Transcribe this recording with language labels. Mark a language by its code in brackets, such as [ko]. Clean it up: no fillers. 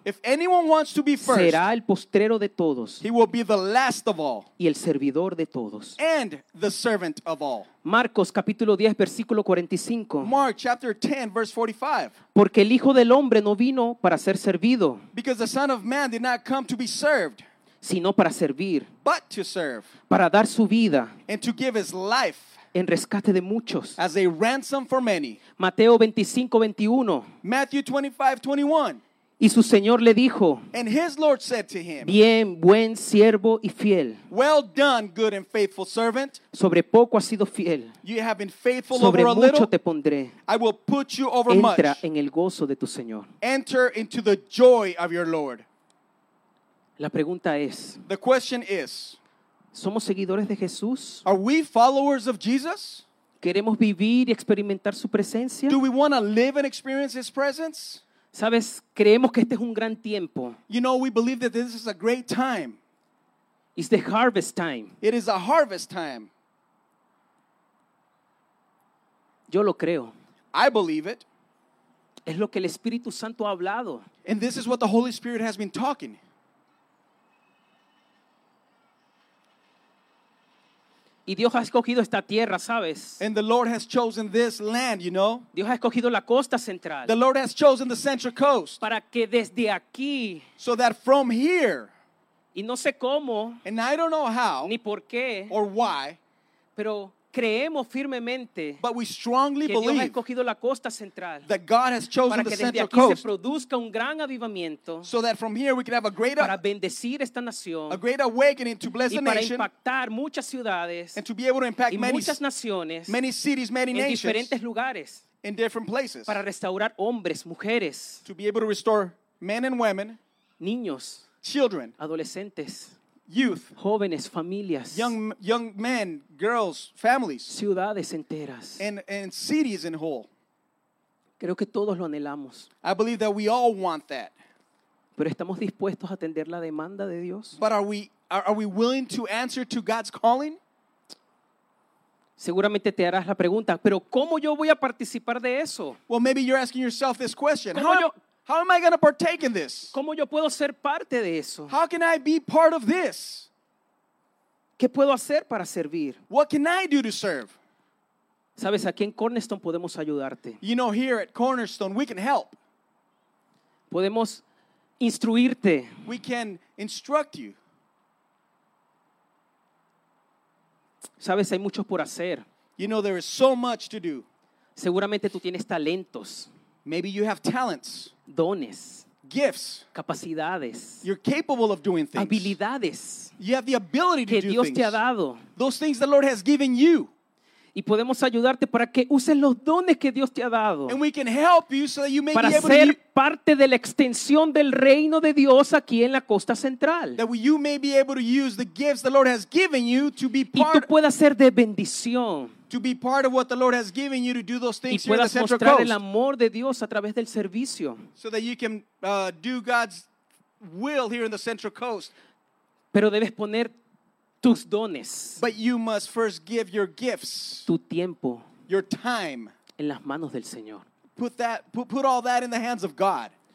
[en] if anyone wants to be first, [es] será el postrero de todos, [en] he will be the last of all, [es] y el servidor de todos, [en] and the servant of all. [es] Marcos capítulo 10 versículo 45. [en] Mark chapter 10 verse 45. [es] Porque el Hijo del Hombre no vino para ser servido, [en] because the Son of Man did not come to be served, [es] sino para servir, [en] but to serve, [es] para dar su vida, [en] and to give his life, [es] en rescate de muchos. [en] As a ransom for many. [es] Mateo 25, 21. [en] Matthew 25, 21. [es] Y su Señor le dijo, [en] and his Lord said to him, [es] bien, buen siervo y fiel. [en] Well done, good and faithful servant. [es] Sobre poco has sido fiel. [en] You have been faithful [es] sobre [en] over a [es] mucho [en] little. [es] Te pondré. [en] I will put you over [es] entra [en] much. [es] Entra en el gozo de tu Señor. [en] Enter into the joy of your Lord. [es] La pregunta es, [en] the question is, [es] ¿somos seguidores de Jesús? [en] Are we followers of Jesus? [es] ¿Queremos vivir y experimentar su presencia? [en] Do we want to live and experience his presence? [es] ¿Sabes? Creemos que este es un gran tiempo. [en] You know, we believe that this is a great time. It's the harvest time. It is a harvest time. [es] Yo lo creo. [en] I believe it. [es] Es lo que el Espíritu Santo ha hablado. [en] And this is what the Holy Spirit has been talking. [es] Y Dios ha escogido esta tierra, ¿sabes? [en] And the Lord has chosen this land, you know. [es] Dios ha escogido la costa central. [en] The Lord has chosen the central coast. [es] Para que desde aquí. [en] So that from here. [es] Y no sé cómo. [en] And I don't know how. [es] Ni por qué. [en] Or why. [es] Pero creemos firmemente. [en] But we strongly believe. [es] Que Dios ha escogido la costa central. [en] That God has chosen the central coast. [es] Para que desde aquí se produzca un gran avivamiento. [en] So that from here we can have a greater. [es] Para bendecir esta nación. [en] A great awakening to bless the nation. [es] Y para impactar muchas ciudades. [en] And to be able to impact many. [es] Y muchas naciones. [en] Many cities, many nations. [es] En diferentes lugares. [en] In different places. [es] Para restaurar hombres, mujeres. [en] To be able to restore men and women. [es] Niños. [en] Children. [es] Adolescentes. [en] Youth, [es] jóvenes, familias, [en] young men, girls, families, [es] ciudades enteras, [en] and cities in whole. [es] Creo que todos lo anhelamos. [en] I believe that we all want that. [es] Pero estamos dispuestos a atender la demanda de Dios. [en] But are we willing to answer to God's calling? [es] Seguramente te harás la pregunta, pero ¿cómo yo voy a participar de eso? [en] Well, maybe you're asking yourself this question. How am I going to partake in this? [es] ¿Cómo yo puedo ser parte de eso? [en] How can I be part of this? [es] ¿Qué puedo hacer para servir? [en] What can I do to serve? [es] ¿Sabes? Aquí en Cornerstone podemos ayudarte. [en] You know, here at Cornerstone, we can help. [es] Podemos instruirte. [en] We can instruct you. [es] Sabes, hay mucho por hacer. [en] You know, there is so much to do. [es] Seguramente tú tienes talentos. [en] Maybe you have talents. [es] Dones. [en] Gifts. [es] Capacidades. [en] You're capable of doing things. [es] Habilidades. [en] You have the ability to [es] que [en] do [es] Dios [en] things. [es] Te ha dado. [en] Those things the Lord has given you. [es] Y podemos ayudarte para que uses los dones que Dios te ha dado. [en] And we can help you so that you may [es] para [en] be able to [es] ser [en] to [es] parte de la extensión del reino de Dios aquí en la costa central. [en] That you may be able to use the gifts the Lord has given you to be part. [es] Y tú puedas ser de bendición. [en] To be part of what the Lord has given you to do those things here in the [es] Y puedas mostrar el amor de Dios a través del servicio. [en] So that you can do God's will here in the Central Coast. [es] Pero debes poner tus dones. [en] But you must first give your gifts. [es] Tu tiempo. [en] Your time. [es] En las manos del Señor. [en] Put all that in the hands of God.